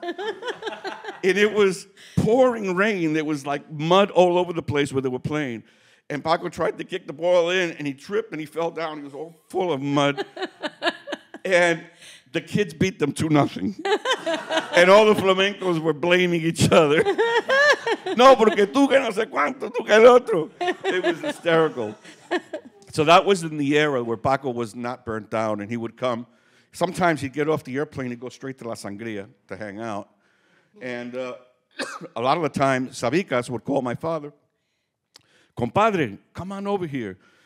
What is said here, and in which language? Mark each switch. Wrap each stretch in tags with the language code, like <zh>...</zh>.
<en>And it was pouring rain. There was, like, mud all over the place where they were playing. And Paco tried to kick the ball in, and he tripped, and he fell down. He was all full of mud. And the kids beat them 2-0. And all the flamencos were blaming each other.</en> <es>No, porque tú que no sé cuánto, tú que el otro.</es> <en>It was hysterical. So that was in the era where Paco was not burnt down, and he would come. Sometimes he'd get off the airplane and go straight to La Sangria to hang out. And a lot of the time, Sabicas would call my father, compadre, come on over here.</en>